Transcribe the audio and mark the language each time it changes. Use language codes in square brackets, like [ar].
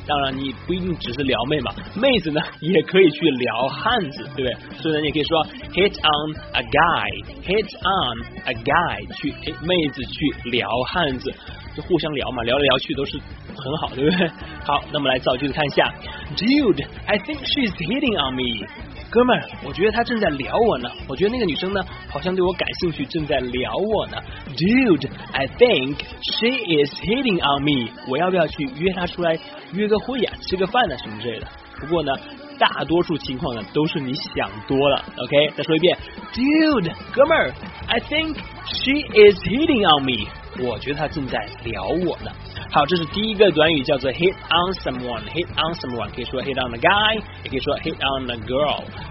[zh] 当然你不一定只是撩妹嘛，妹子呢也可以去撩汉子，对不对？所以呢你可以说 [en] hit on a guy [zh] 去妹子去撩汉子，就互相聊嘛，聊来聊去都是很好，对不对？好，那么来造句子看一下。 [en] Dude, I think she's hitting on me. [zh] 哥们儿，我觉得她正在聊我呢，我觉得那个女生呢好像对我感兴趣，正在聊我呢。 [en] Dude, I think she is hitting on me. [zh] 我要不要去约她出来约个会呀，吃个饭呢，什么之类的。不过呢大多数情况呢都是你想多了。 OK, 再说一遍。 [en] Dude, [zh] 哥们儿， [en] I think she is hitting on me. [zh] 我觉得他正在撩我呢。好，这是第一个短语，叫做 [en] hit on someone， [zh] 可以说 [en] hit on a guy， [zh] 也可以说 [en] hit on a girl。